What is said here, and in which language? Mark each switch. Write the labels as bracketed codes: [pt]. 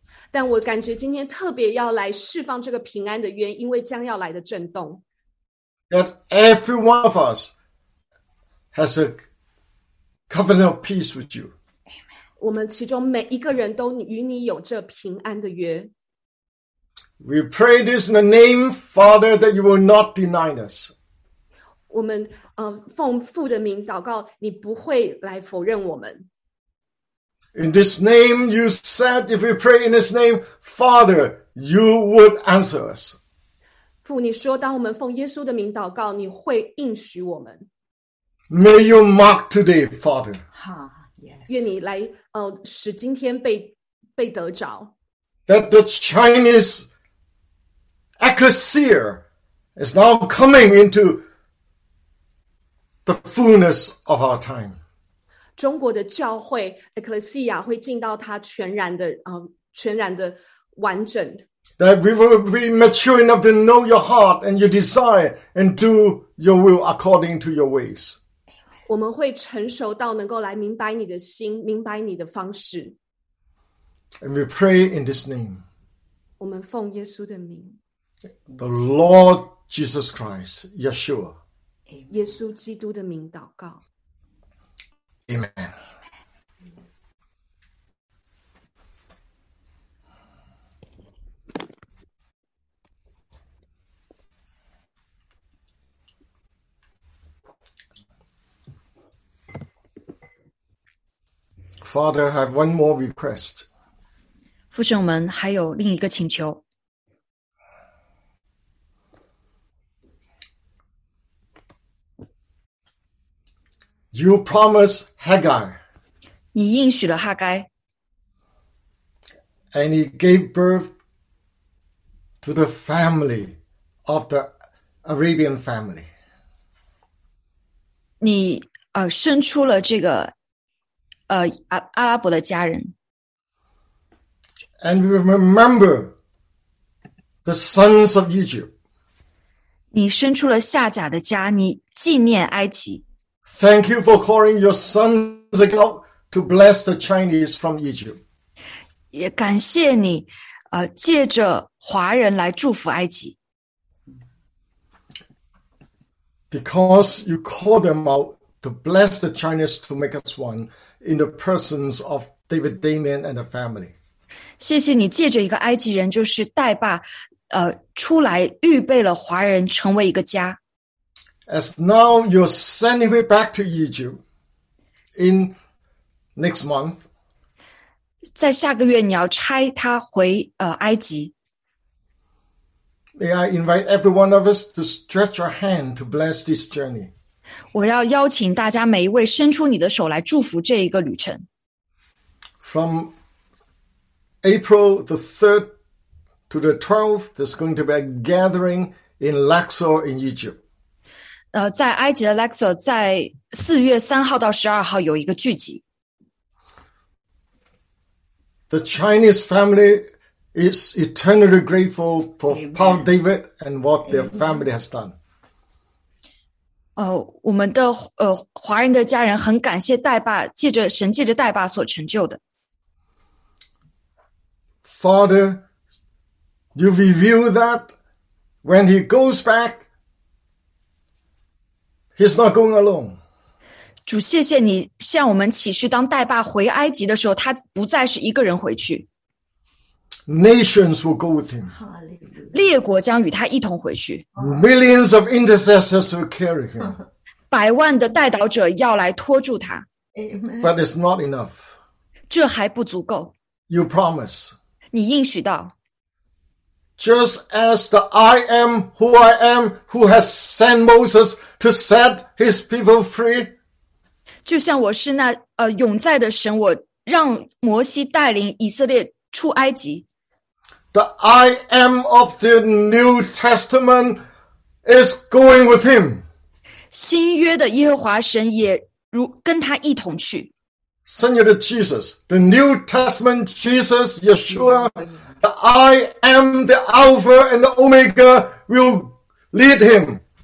[zh] 但我感觉今天特别要来释放这个平安的约，因为将要来的震动。 [en] That every one of us has a covenant of peace with you. [zh] 我们其中每一个人都与你有这平安的约。 [en] We pray this in the name, Father, that you will not deny us. [zh] 我们奉父的名祷告，你不会来否认我们。 [en] In this name, you said, if we pray in this name, Father, you would answer us. [zh] 父，你说当我们奉耶稣的名祷告，你会应许我们。 [en] May you mark today, Father. [zh] 愿你来使今天被得着。 [en] That the Chinese ecclesia is now coming into the fullness of our time. [zh] 中国的教会 ecclesia 会进到它全然的完整。 [en] That we will be mature enough to know your heart and your desire and do your will according to your ways. [zh] 我们会成熟到能够来明白你的心，明白你的方式。 [en] And we pray in this name. [zh] 我们奉耶稣的名。 [en] The Lord Jesus Christ, Yeshua. [zh] 耶稣基督的名祷告。 [en] Amen. Father, I have one more request. [zh] 父神，我们还有另一个请求。 [en] You promised Haggai. [zh] 你应许了哈该。 [en] And he gave birth to the family of the Arabian family. [zh] 你生出了这个阿拉伯的家人。 [en] And you remember the sons of Egypt. [zh] 你生出了夏甲的家，你纪念埃及。 [en] Thank you for calling your sons again to bless the Chinese from Egypt. [zh] 也感谢你借着华人来祝福埃及。 [en] Because you call them out to bless the Chinese to make us one in the persons of David Damian and the family. [zh] 谢谢你借着一个埃及人就是代爸出来预备了华人成为一个家。 [en] As now you're sending me back to Egypt in next month. [zh] 在下个月你要差他回埃及。 [en] May I invite every one of us to stretch our hand to bless this journey. [zh] 我要邀请大家每一位伸出你的手来祝福这一个旅程。 [en] From April the 3rd to the 12th, there's going to be a gathering in Luxor in Egypt. [zh] 在埃及的 Luxor 在4月3号到12号有一个聚集。 [en] The Chinese family is eternally grateful for Paul David and what their family has done. [zh] 我们的华人的家人很感谢代爸借着神借着代爸所成就的。 [en] Father, you reveal that when he goes back, he's not going alone. [zh] 主，谢谢你向我们启示，当带爸回埃及的时候，他不再是一个人回去。 [en] Nations will go with him. [zh] 列国将与他一同回去。 [en] Millions of intercessors will carry him. [zh] 百万的代祷者要来托住他。 [en] But it's not enough. [zh] 这还不足够。 [en] You promise. [zh] 你应许道。 [en] Just as the I am who I am who has sent Moses to set his people free. [zh] 就像我是那永在的神，我让摩西带领以色列出埃及。 [en] The I am of the New Testament is going with him. [zh] 新约的耶和华神也如跟他一同去。 [en] Senior Jesus, the New Testament Jesus, Yeshua, the I am the Alpha and the Omega will lead him.